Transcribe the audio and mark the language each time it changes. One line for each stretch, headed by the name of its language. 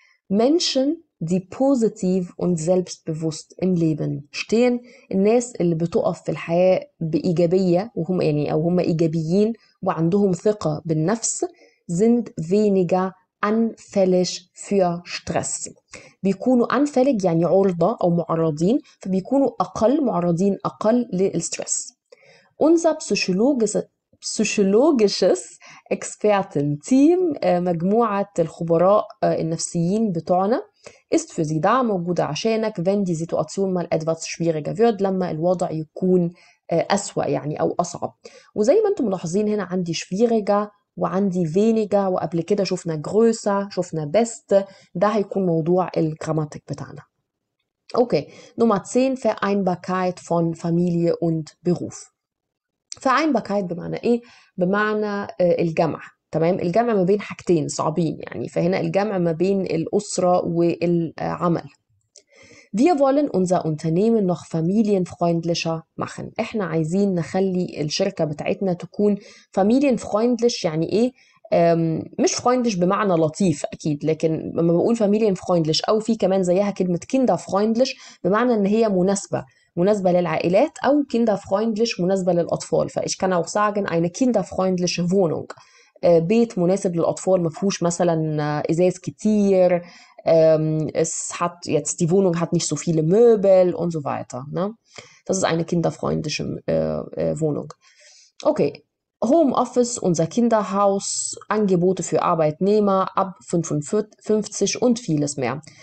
German: Menschen, die positiv und selbstbewusst im Leben stehen.
Arabic: الناس اللي بتقف في الحياة بإيجابية وهم يعني أو هم إيجابيين وعندهم ثقة بالنفس
German: sind weniger anfällig für Stress.
Arabic: بيكونوا anfällig يعني عرضة أو معرضين, فبيكونوا أقل معرضين أقل للستريس.
German: Unser psychologisches Expertenteam,
Arabic: مجموعة الخبراء النفسيين بتوعنا,
German: ist für sie da,
Arabic: موجودة عشانك,
German: wenn die Situation mal etwas schwieriger wird,
Arabic: لما الوضع يكون أسوأ يعني أو أصعب. وزي ما أنتم ملاحظين هنا عندي schwieriger وعندي weniger, وقبل كده شفنا größer, شفنا best, ده هيكون موضوع الجراماتيك بتاعنا.
German: Okay, Nummer 10, Vereinbarkeit von Familie und Beruf.
Arabic: Vereinbarkeit بمعنى ايه؟ بمعنى الجمع, تمام؟ الجمع ما بين حاجتين صعبين يعني, فهنا الجمع ما بين الأسرة والعمل.
German: Wir wollen unser Unternehmen noch familienfreundlicher machen.
Arabic: احنا عايزين نخلي الشركة بتاعتنا تكون familienfreundlich, يعني ايه؟ مش freundlich بمعنى لطيف اكيد, لكن لما بقول familienfreundlich او في كمان زيها كلمة kinderfreundlich بمعنى ان هي مناسبة, مناسبة للعائلات, او kinderfreundlich مناسبة للأطفال.
German: فايش كان auch sagen eine kinderfreundliche Wohnung,
Arabic: بيت مناسب للأطفال, مفهوش مثلا إزاز كتير,
German: es hat jetzt die Wohnung hat nicht so viele Möbel und so weiter, ne? Das ist eine kinderfreundliche Wohnung. Okay, Homeoffice, unser Kinderhaus, Angebote für Arbeitnehmer ab 55 und vieles mehr.